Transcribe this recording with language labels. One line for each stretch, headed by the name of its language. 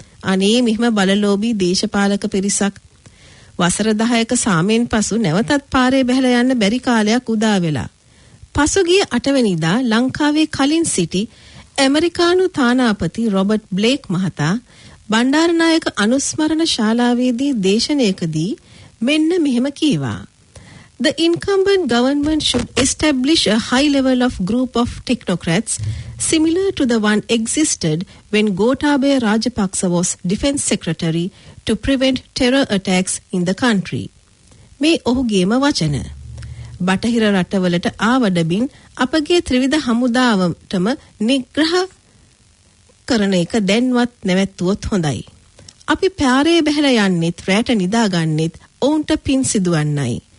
Sinhala: අනේ මෙහෙම බලලෝභී දේශපාලක පිරිසක්! වසර 10ක සාමයෙන් පසු නැවතත් පාරේ බැහැලා යන්න බැරි කාලයක් උදා වෙලා. පසුගිය 8 වෙනිදා ලංකාවේ කලින් සිටි ඇමරිකානු තානාපති රොබර්ට් බ්ලේක් මහතා බණ්ඩාරනායක අනුස්මරණ ශාලාවේදී දේශනයකදී මෙන්න මෙහෙම කීවා.
English: The incumbent government should establish a high level of group of technocrats similar to the one existed when Gotabaya Rajapaksa was defense secretary to prevent terror attacks in the country.
Sinhala: මේ ඔහුගේම වචන. බටහිර රටවලට ආවඩබින් අපගේ ත්‍රිවිධ හමුදාවටම නිග්‍රහ කරන එක දැන්වත් නැවැත්වුවොත් හොඳයි. අපි පාරේ බැහැලා යන්නෙත් රැට නිදාගන්නෙත් ඔවුන්ට පින් සිදුවන්නයි.